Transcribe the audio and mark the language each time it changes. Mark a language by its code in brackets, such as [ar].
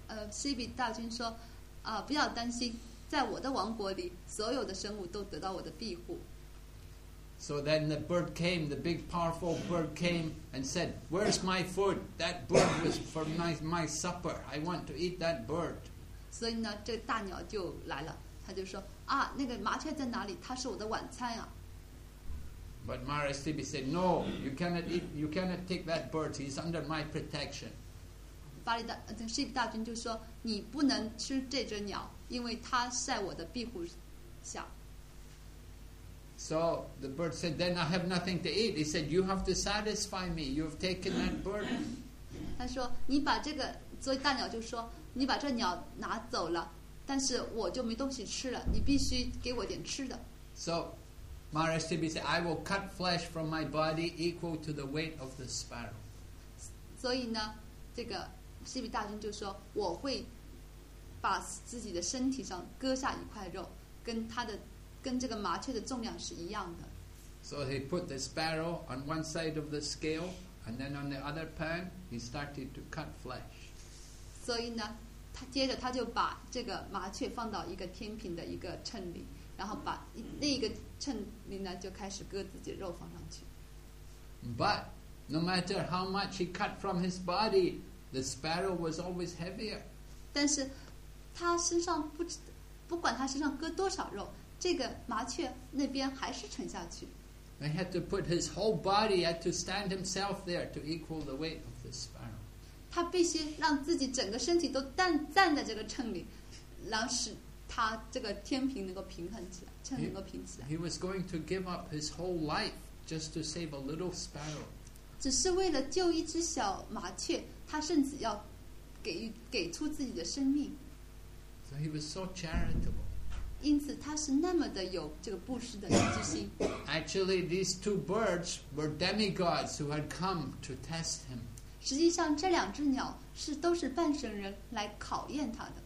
[zh] Sibi 大君说，不要担心，在我的王国里，所有的生物都得到我的庇护。 [en] So then the bird came, the big powerful bird came and said, "Where's my food? That bird was for my supper. I want to eat that bird." [zh] 所以呢，这大鸟就来了，他就说，啊，那个麻雀在哪里？它是我的晚餐啊。 [en] But Maharaj Sibi said, "No, you cannot eat. You cannot take that bird. He's under my protection." [zh] 巴利大这个释大君就说，你不能吃这只鸟，因为它在我的庇护下。 [en] So the bird said, "Then I have nothing to eat." He said, "You have to satisfy me. You have taken that bird." [zh] 他说，你把这个，所以大鸟就说，你把这鸟拿走了，但是我就没东西吃了。你必须给我点吃的。 [en] So. Maharaj Sibi said, "I will cut flesh from my body equal to the weight of the sparrow." [zh] 所以呢，这个西比大君就说，我会把自己的身体上割下一块肉，跟这个麻雀的重量是一样的。 [en] So he put the sparrow on one side of the scale, and then on the other pan, he started to cut flesh. [zh] 所以呢，他接着他就把这个麻雀放到一个天平的一个秤里。然后把那一个秤里呢，就开始割自己的肉放上去。 [en] But no matter how much he cut from his body, the sparrow was always heavier. [zh] 但是他身上不管他身上割多少肉，这个麻雀那边还是沉下去。 [en] They had to put his whole body, had to stand himself there to equal the weight of the sparrow. [zh] 他必须让自己整个身体都站在这个秤里，然后使。他这个天平能够平衡起来，秤能够平起来。 [en] He was going to give up his whole life just to save a little sparrow. [zh] 只是为了救一只小麻雀，他甚至要给出自己的生命。 [en] So he was so charitable. [zh] 因此，他是那么的有这个布施的之心。 [en] Actually, these two birds were demigods who had come to test him. [zh] 实际上，这两只鸟是都是半神人来考验他的。